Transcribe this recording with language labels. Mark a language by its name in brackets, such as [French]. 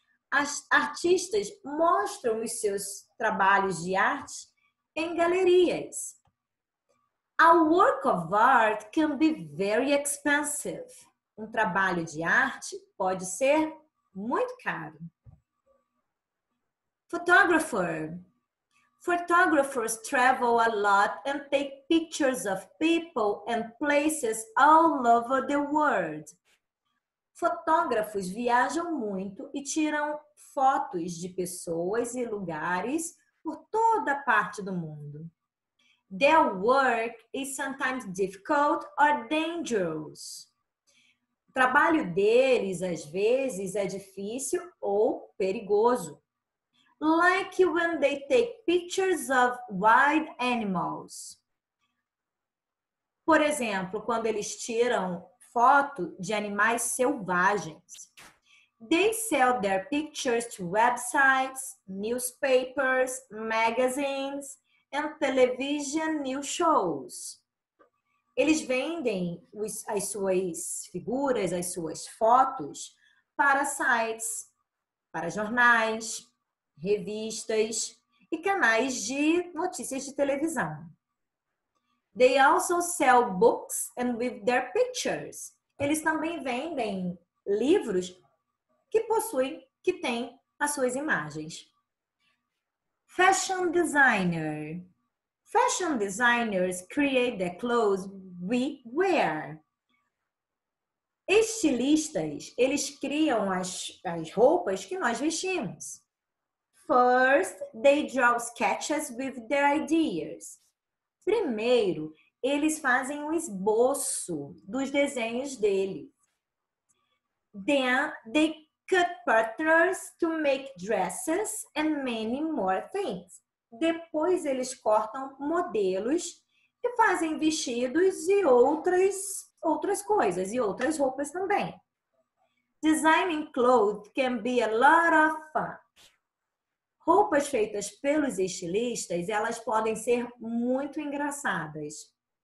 [Portuguese] As artistas mostram os seus trabalhos de arte em galerias. [English] A work of art can be very expensive. [Portuguese] Um trabalho de arte pode ser muito caro. [English] Photographer. Photographers travel a lot and take pictures of people and places all over the world. [Portuguese] Fotógrafos viajam muito e tiram fotos de pessoas e lugares por toda parte do mundo. [English] Their work is sometimes difficult or dangerous. [Portuguese] O trabalho deles, às vezes, é difícil ou perigoso. [English] Like when they take pictures of wild animals. [Portuguese] Por exemplo, quando eles tiram foto de animais selvagens. [English] They sell their pictures to websites, newspapers, magazines, and television news shows. [Portuguese] Eles vendem as suas figuras, as suas fotos, para sites, para jornais, revistas e canais de notícias de televisão. [English] They also sell books and with their pictures. [Portuguese] Eles também vendem livros que têm as suas imagens. [English] Fashion designer. Fashion designers create the clothes we wear. [Portuguese] Estilistas, eles criam as roupas que nós vestimos. [English] First, they draw sketches with their ideas. [Portuguese] Primeiro, eles fazem um esboço dos desenhos dele. [English] Then, they cut patterns to make dresses and many more things. [Portuguese] Depois, eles cortam modelos e fazem vestidos e outras coisas e outras roupas também. [English] Designing clothes can be a lot of fun. [Portuguese] Roupas feitas pelos estilistas, elas podem ser muito engraçadas.